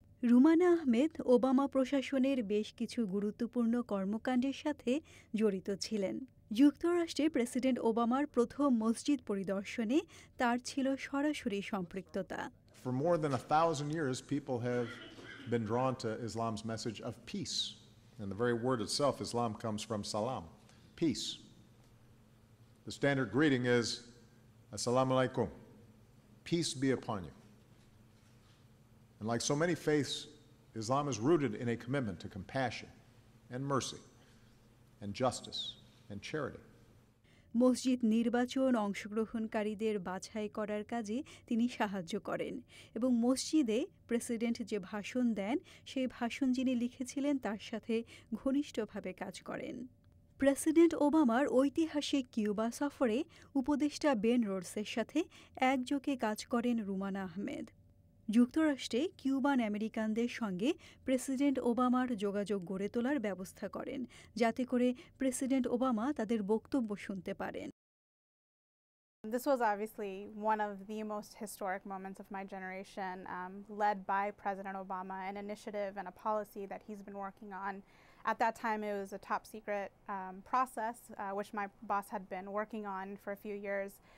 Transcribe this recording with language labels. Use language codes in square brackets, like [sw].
[bn] Rumana Ahmed Obama প্রশাসনের বেশ কিছু গুরুত্বপূর্ণ কর্মকাণ্ডের সাথে জড়িত ছিলেন। যুক্তরাষ্ট্রে প্রেসিডেন্ট ওবামার প্রথম মসজিদ পরিদর্শনে তার ছিল সরাসরি সম্পৃক্ততা। [en] For more than 1,000 years, people have been drawn to Islam's message of peace. And the very word itself, Islam, comes from salam, peace. The standard greeting is, Assalamu alaikum, peace be upon you. And like so many faiths, Islam is rooted in a commitment to compassion and mercy and justice and charity. [bn] মসজিদ নির্বাচন অংশগ্রহণকারীদের বাছাই করার কাজে তিনি সাহায্য করেন এবং মসজিদে প্রেসিডেন্ট যে ভাষণ দেন সেই ভাষণ যিনি লিখেছিলেন তার সাথে ঘনিষ্ঠভাবে কাজ করেন। প্রেসিডেন্ট ওবামার ঐতিহাসিক কিউবা সফরে উপদেষ্টা বেন রোডসের সাথে একযোগে কাজ করেন রুমানা আহমেদ। যুক্তরাষ্ট্রে কিউবান আমেরিকানদের সঙ্গে প্রেসিডেন্ট ওবামার যোগাযোগ গড়ে তোলার ব্যবস্থা করেন, যাতে করে প্রেসিডেন্ট ওবামা তাদের বক্তব্য শুনতে পারেন। [en] This was obviously one of the most historic moments of my generation, led by President Obama, an initiative and a policy that he's been working on. At that time, it was a top secret process, which my boss had been working on for a few years.